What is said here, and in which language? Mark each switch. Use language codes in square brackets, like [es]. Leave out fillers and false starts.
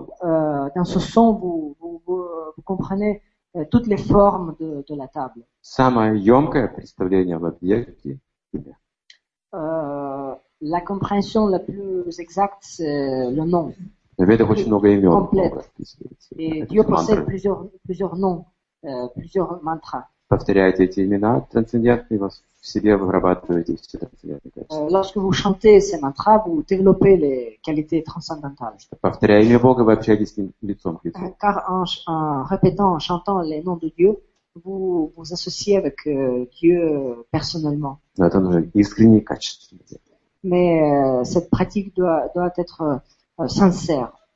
[fr] Dans ce son, vous comprenez toutes les formes de la table. [ru] Самое ёмкое представление об объекте. [fr] La compréhension la plus exacte, c'est le nom. [ru] В ведах очень много имен. [fr] Complète. Et Dieu possède plusieurs noms, plusieurs mantras. [ru] Повторяете эти имена трансцендентные, вас в себе вырабатываете все трансцендентные качества. [fr] Lorsque vous chantez ces mantras, vous développez les qualités transcendantales. [ru] Повторяя имя Бога, вы общаетесь с ним лицом к лицу. [fr] Car en répétant, en chantant les noms de Dieu, vous associez avec Dieu personnellement. [ru] Но это нужно искренне и качественно делать. [fr] Mais cette pratique doit être sincère.